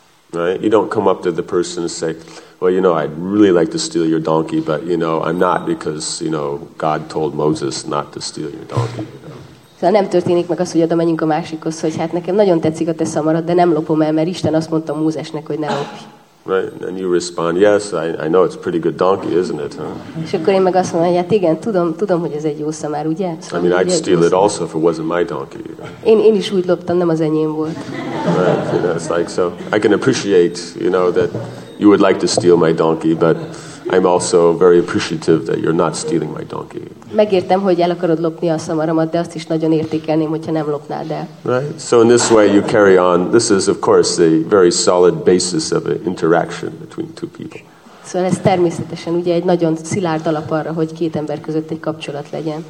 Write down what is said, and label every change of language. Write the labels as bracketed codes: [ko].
[en] Right? You don't come up to the person and say, "Well, you know, I'd really like to steal your donkey, but you know, I'm not because, you know, God told Moses not to steal your donkey." [hu] Szóval nem történik meg az, hogy oda menjünk a másikhoz, hogy hát nekem nagyon tetszik a te szamarad, de nem lopom el, mert Isten azt mondta Mózesnek, hogy ne lopj. [en] Right, and you respond, "Yes, I know it's a pretty good donkey, isn't it?" Huh? [hu] És akkor én meg azt mondom, hogy hát igen, tudom, hogy ez egy jó szamár, ugye? [en] Szóval I mean, I'd steal it also if it wasn't my donkey. [hu] Én is úgy loptam, nem az enyém volt. [en] Right, you know, it's like, so I can appreciate, you know, that you would like to steal my donkey, but I'm also very appreciative that you're not stealing my donkey. [hu] Megértem, hogy el akarod lopni a szamaramat, de azt is nagyon értékelném, hogyha nem lopnád el. [en] Right. So in this way you carry on. This is of course a very solid basis of an interaction between two people. [hu] Szóval ez természetesen ugye egy nagyon szilárd alap arra, hogy két ember között egy kapcsolat legyen.